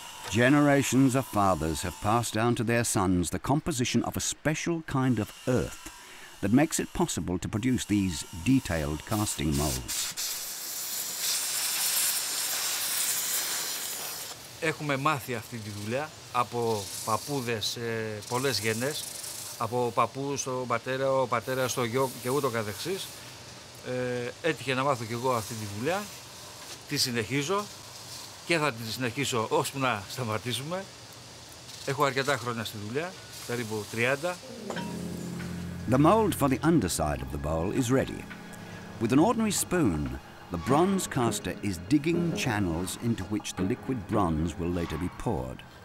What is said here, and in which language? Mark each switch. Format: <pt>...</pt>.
<en>Generations of fathers have passed down to their sons the composition of a special kind of earth that makes it possible to produce these detailed casting molds.</en> <el>Έχουμε μάθει αυτή τη δουλειά από παππούδες πολλές γενιές, από παππούς στον πατέρα, ο πατέρας στο γιο και ούτω καθεξής. Έτυχε να μάθω κι εγώ αυτή τη δουλειά, τη συνεχίζω και θα τη συνεχίσω ώσπου να σταματήσουμε. Έχω αρκετά χρόνια στη δουλειά, περίπου 30.</el> <en>The mold for the underside of the bowl is ready. With an ordinary spoon, the bronze caster is digging channels into which the liquid bronze will later be poured.</en>